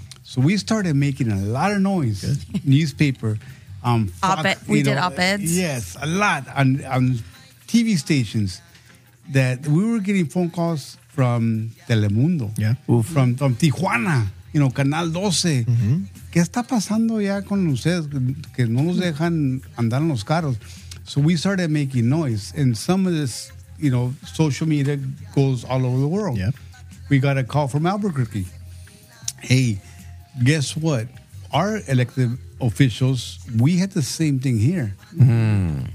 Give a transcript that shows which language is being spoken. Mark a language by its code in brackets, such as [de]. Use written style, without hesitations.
[en] So we started making a lot of noise, newspaper. Op-ed. We did op-eds. Yes, a lot on TV stations. that we were getting phone calls from Telemundo, yeah, from Tijuana, you know, Canal 12. Mm-hmm. [es] ¿Qué está pasando ya con ustedes que no nos dejan andar en los carros? [en] So we started making noise, and some of this, you know, social media goes all over the world. Yeah. We got a call from Albuquerque. Hey, guess what? Our elected officials, we had the same thing here. Mm-hmm.